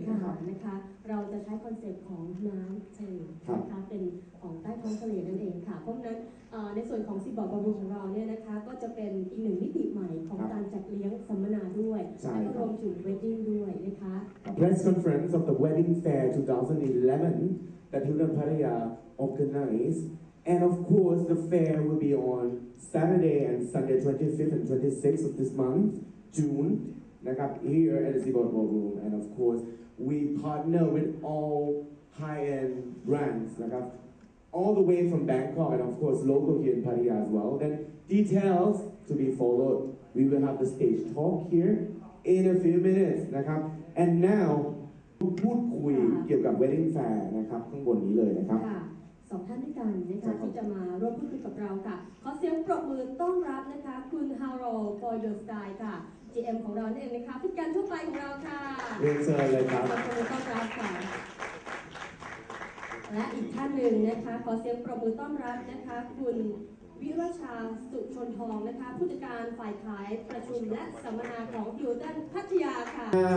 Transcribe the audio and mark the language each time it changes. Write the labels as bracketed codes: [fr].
[th] ค่ะนะคะเราจะใช้คอนเซ็ปต์ของน้ำทะเลนะคะเป็นของใต้ท้องทะเลนั่นเองค่ะเพราะนั้นในส่วนของซีบอร์ดบารูนของเราเนี่ยนะคะก็จะเป็นอีกหนึ่งมิติใหม่ของการจัดเลี้ยงสัมมนาด้วยและรวมถึงเวดดิ้งด้วยนะคะ [en] Press conference of the wedding fair 2011 that Hilton Pattaya organized and of course the fair will be on Saturday and Sunday 25th and 26th of this month Junenhere at the Seaboard Ballroom, and of course, we partner with all high-end brands, all the way from Bangkok, and of course, local here in Pattaya as well. Then details to be followed. We will have the stage talk here in a few minutes. And now, we'll talk about the wedding fair on this side. [th] สองท่านด้วยกัน นะคะ ที่ จะมาร่วมพูดคุยกับเราค่ะ ขอเสียงปรบมือต้อนรับนะคะ คุณฮาโรลด์ [en] for your style [th] ค่ะGM ของเราเองนะคะผู้การทั่วไปของเราค่ะ เรียนเชิญเลยครับ ขอบคุณต้อนรับค่ะและอีกท่านหนึ่งนะคะขอเสียงปรบมือต้อนรับนะคะคุณวิรชาสุชนทองนะคะผู้จัดการฝ่ายขายประชุมและสัมมนาของฮิลตันพัทยาค่ะ